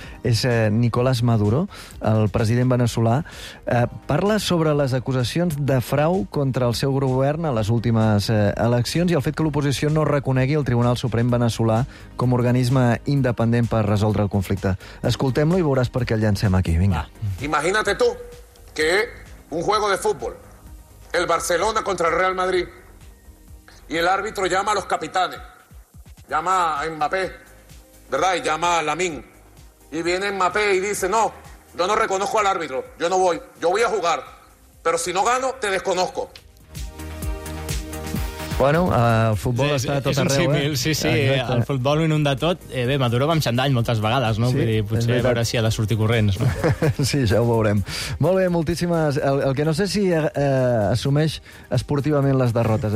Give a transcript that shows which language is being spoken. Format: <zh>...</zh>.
<ca>És Nicolás Maduro, el president veneçolà. Parla sobre les acusacions de frau contra el seu govern a les últimes eleccions i el fet que l'oposició no reconegui el Tribunal Suprem veneçolà com a organisme independent per resoldre el conflicte. Escoltem-lo i veuràs per què el llancem aquí. Vinga.</ca> <es>Imagínate tú que un juego de fútbol, el Barcelona contra el Real Madrid, y el árbitro llama a los capitanes, llama a Mbappé, ¿verdad? Y llama a Lamine, y viene Mbappé y dice, no, yo no reconozco al árbitro, yo no voy, yo voy a jugar, pero si no gano, te desconozco.</es> <ca>Bueno, el futbol sí, està tot arreu, símil, eh? Sí, sí, exacte. El futbol ho inunda tot. Bé, Maduro va amb xandall moltes vegades, no? Sí, vull dir, potser a veure si ha de sortir corrents, no? Sí, ja ho veurem. Molt bé, moltíssimes... El que no sé si assumeix esportivament les derrotes.</ca>